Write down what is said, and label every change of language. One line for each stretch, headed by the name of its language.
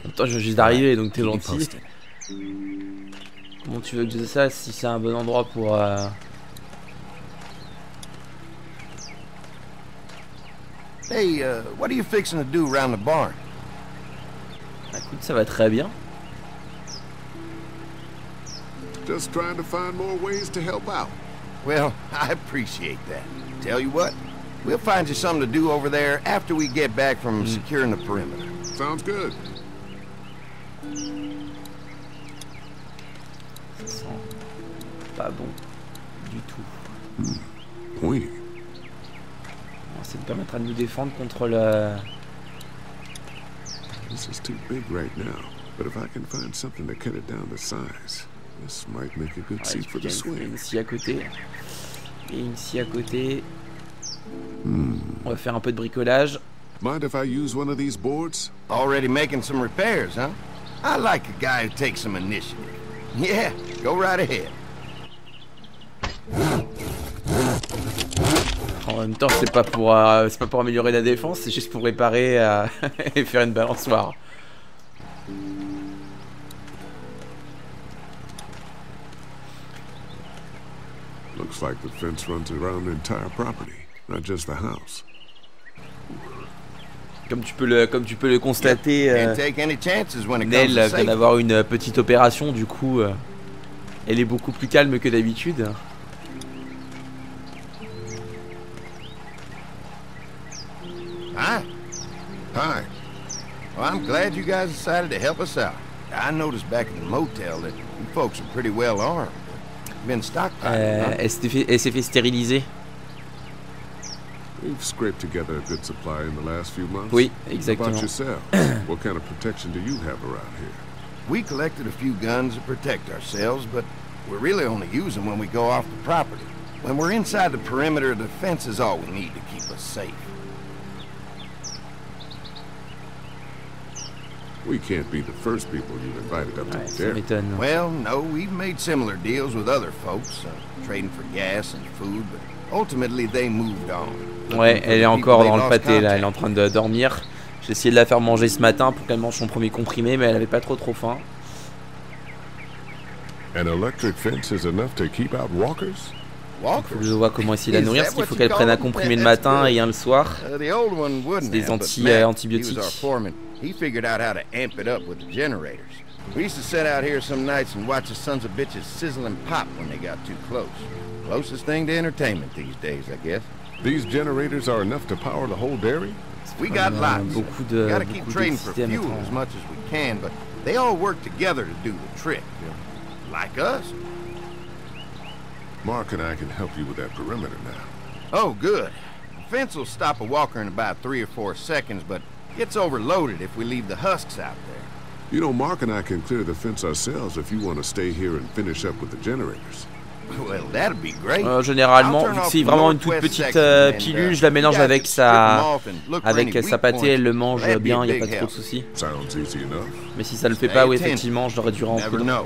French: En même temps, je viens juste d'arriver, donc t'es gentil. Comment tu veux que je dise ça si c'est un bon endroit pour
English: Hey, what are you fixing to do around the barn?
French: Écoute, ça va très bien.
English: Just trying to find more ways to help out. Well, I appreciate that. Tell you what, we'll find you something to do over there after we get back from securing the perimeter. Sounds good.
French: Ça sent pas bon du tout. Oui. On va essayer de permettre à nous défendre contre le...
English: This is too big right now, but if I can find something to cut it down to size, this might make a good seat for the swing.
French: Une scie à côté. Et une scie à côté. On va faire un peu de bricolage.
English: Mind if I use one of these boards? Already making some repairs, huh? I like a guy who takes some initiative. Yeah, go right ahead.
French: En même temps, c'est pas pour améliorer la défense, c'est juste pour réparer et faire une balançoire.
English: Looks like the fence runs around the entire property, not just the house.
French: Comme tu peux le constater, Nell vient d'avoir une petite opération, du coup, elle est beaucoup plus calme que d'habitude.
English: Hi. Well, I'm glad you guys decided to help us out. I noticed back in the motel that you folks are pretty well armed. Been stockpiled.
French: SF stérilisé.
English: We've scraped together a good supply in the last few months.
French: Oui, exactement.
English: About yourself, what kind of protection do you have around here? We collected a few guns to protect ourselves, but we really only use them when we go off the property. When we're inside the perimeter, the fence is all we need to keep us safe. We can't be the first people you've invited up to the dairy. Well, no, we've made similar deals with other folks, trading for gas and food, but ultimately they moved on.
French: Ouais, elle est encore dans le pâté là, elle est en train de dormir. J'ai essayé de la faire manger ce matin pour qu'elle mange son premier comprimé, mais elle avait pas trop faim.
English: An electric fence is enough to keep out walkers? Walkers?
French: Je vois comment essayer de la nourrir, parce qu'il faut qu'elle prenne un comprimé le matin et un le soir. C'est des antibiotiques.
English: He figured out how to amp it up with the generators. We used to sit out here some nights and watch the sons of bitches sizzle and pop when they got too close. Closest thing to entertainment these days, I guess. These generators are enough to power the whole dairy? We got lots.
French: Beaucoup de,
English: we gotta keep trading for fuel as much as we can, but they all work together to do the trick. Like us. Mark and I can help you with that perimeter now. Oh, good. The fence will stop a walker in about 3 or 4 seconds, but it's overloaded if we leave the husks out there. You know, Mark and I can clear the fence ourselves if you want to stay here and finish up with the generators. Well, that'd be great.
French: Généralement, vu que c'est vraiment une toute petite pilule, je la mélange avec sa pâté, elle le mange bien, il n'y a pas trop de soucis.
English: Sounds easy enough.
French: Mais si ça ne le fait pas, oui, effectivement, je l'aurais dû rentrer.